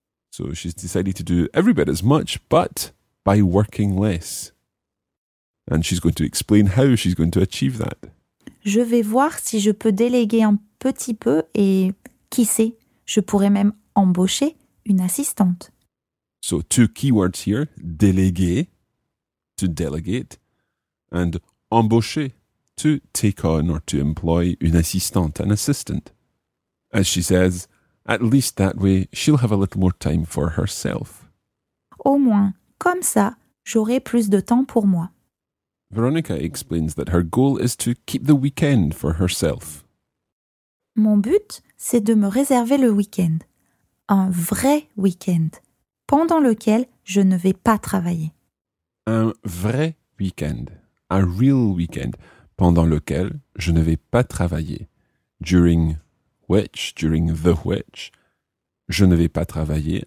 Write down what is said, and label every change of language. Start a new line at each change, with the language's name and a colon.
English: So she's decided to do every bit as much, but by working less. And she's going to explain how she's going to achieve that.
French: Je vais voir si je peux déléguer un petit peu et, qui sait, je pourrais même embaucher une assistante.
English: So, 2 keywords here, déléguer, to delegate, and embaucher, to take on or to employ une assistante, an assistant. As she says, at least that way, she'll have a little more time for herself.
French: Au moins, comme ça, j'aurai plus de temps pour moi.
English: Veronica explains that her goal is to keep the weekend for herself.
French: Mon but, c'est de me réserver le week-end, un vrai week-end, pendant lequel je ne vais pas travailler. un vrai week-end, un
English: real weekend,
French: pendant lequel je ne vais pas travailler.
English: During the which,
French: je ne vais pas travailler.